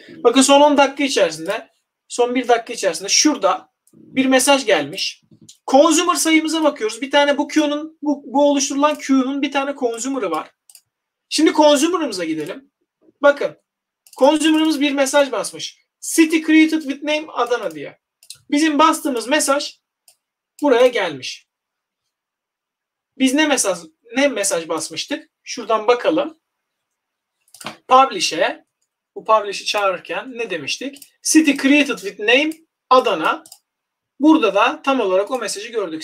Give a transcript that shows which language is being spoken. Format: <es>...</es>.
<tr>Bakın son 10 dakika içerisinde son bir dakika içerisinde şurada bir mesaj gelmiş. Consumer sayımıza bakıyoruz. Bir tane bu oluşturulan queue'nun bir tane consumer'ı var. Şimdi consumer'ımıza gidelim. Bakın. Consumer'ımız bir mesaj basmış.</tr> <en>City created with name Adana diye.</en> <tr>Bizim bastığımız mesaj buraya gelmiş. Biz ne mesaj basmıştık? Şuradan bakalım. Publish'e. Bu publish'i çağırırken ne demiştik?</tr> <en>City created with name Adana.</en> <tr>Burada da tam olarak o mesajı gördük.</tr>